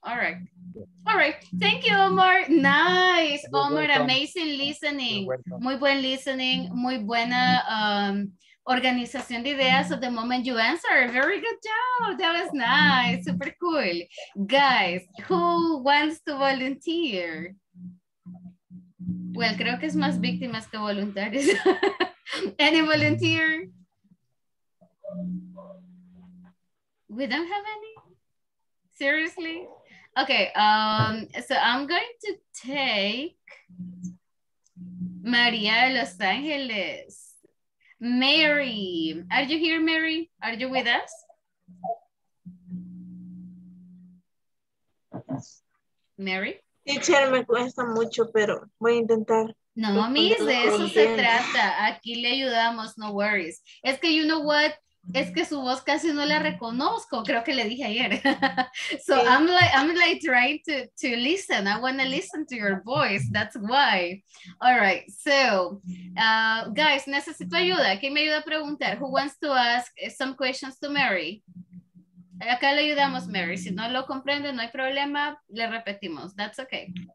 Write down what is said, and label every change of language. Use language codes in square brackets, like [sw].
[en] All right. All right, thank you, Omar. Nice, You're Omar, welcome. Amazing listening. [es] Muy buen listening, muy buena organización de ideas [en] of the moment you answer. Very good job, that was nice, super cool. Guys, who wants to volunteer? [es] Well, creo que es más víctimas que voluntarios. [en] Any volunteer? We don't have any? Seriously? Okay, so I'm going to take Maria de Los Angeles. Mary, are you here, Mary? Are you with us? Mary? [es] Teacher, me cuesta mucho, pero voy a intentar. No, mis, de eso se trata. Aquí le ayudamos, [en] no worries. [es] Es que, [en] you know what? [es] Es que su voz casi no la reconozco, creo que le dije ayer. [en] So yeah. I'm like trying to listen. I want to listen to your voice. That's why. All right. So, guys, [es] necesito ayuda. ¿Quién me ayuda a preguntar? [en] Who wants to ask some questions to Mary? [es] Acá le ayudamos, Mary. Si no lo comprende, no hay problema. Le repetimos. [en] That's okay.